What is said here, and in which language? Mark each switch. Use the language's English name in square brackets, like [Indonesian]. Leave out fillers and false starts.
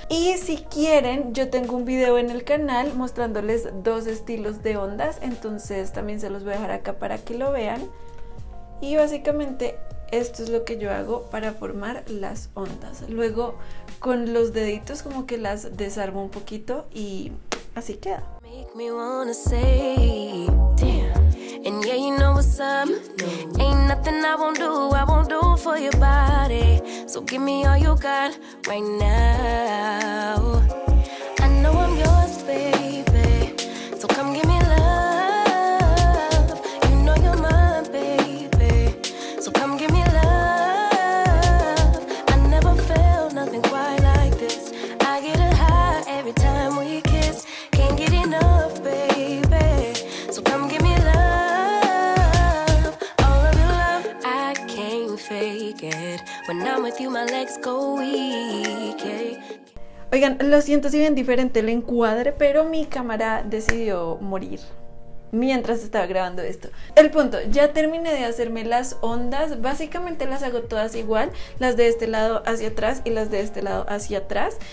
[Spanish] Y si quieren, yo tengo un video en el canal mostrándoles dos estilos de ondas, entonces también se los voy a dejar acá para que lo vean. Y básicamente esto es lo que yo hago para formar las ondas. Luego con los deditos como que las desarmo un poquito y así queda. [English] Make me wanna say, damn. And yeah, you know what's up. Ain't nothing I won't do for your body. So give me all you got right now. I know I'm yours, baby. So come give me love. You know you're mine, baby. So come give me love. I never felt nothing quite like this. I get a high every time we kiss. Can't get enough, baby. So come give me love. All of your love, I can't fake it. When I'm with you, my legs go weak. [Spanish] Oigan, lo siento si ven diferente el encuadre, pero mi cámara decidió morir mientras estaba grabando esto. El punto, ya terminé de hacerme las ondas. Básicamente las hago todas igual, las de este lado hacia atrás y las de este lado hacia atrás.